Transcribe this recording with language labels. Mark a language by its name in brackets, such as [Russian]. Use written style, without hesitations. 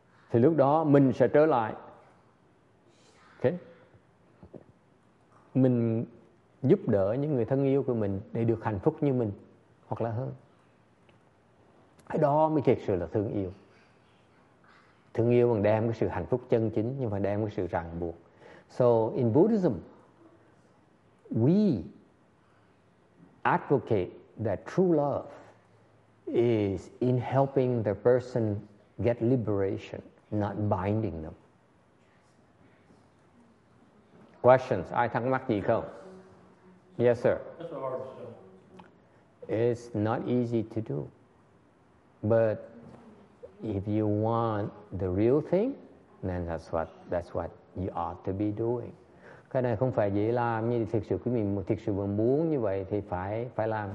[Vietnamese] Thì lúc đó mình sẽ trở lại. Ok, mình giúp đỡ những người thân yêu của mình để được hạnh phúc như mình hoặc là hơn. Cái đó mới thực sự là thương yêu. Thương yêu bằng đem cái sự hạnh phúc chân chính, nhưng mà đem cái sự ràng buộc. [English] So in Buddhism, we advocate that true love is in helping the person get liberation, not binding them. Questions? [Vietnamese] Ai thắc mắc gì không? [English] Yes, sir. That's a hard stuff. It's not easy to do. But if you want the real thing, then that's what you ought to be doing. [Vietnamese] Cái này không phải dễ làm, nhưng thực sự quý vị thực sự muốn như vậy thì phải làm.